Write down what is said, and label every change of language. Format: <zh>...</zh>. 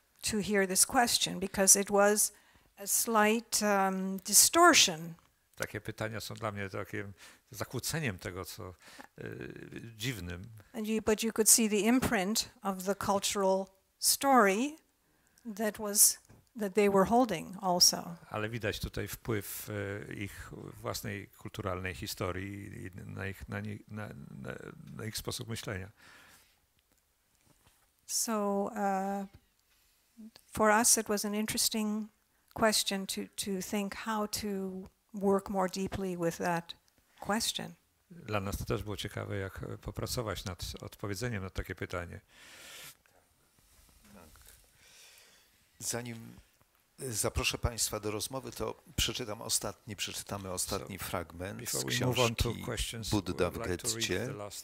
<en>To hear this question, because it was a slight distortion.</en> <pl>Takie pytania są dla mnie takim zakłóceniem tego, co dziwnym.</pl> <en>And you, but you could see the imprint of the cultural story that was that they were holding also.</en> <pl>Ale widać tutaj wpływ ich własnej kulturalnej historii i na ich sposób myślenia.</pl> <en>So for us it was an interesting question to think how to work more deeply with that question.</en> <pl>Dla nas to też było ciekawe, jak popracować nad odpowiedzeniem na takie pytanie. Tak. Zanim zaproszę Państwa do rozmowy, to przeczytamy ostatni fragment z książki Budda w Getcie.</pl>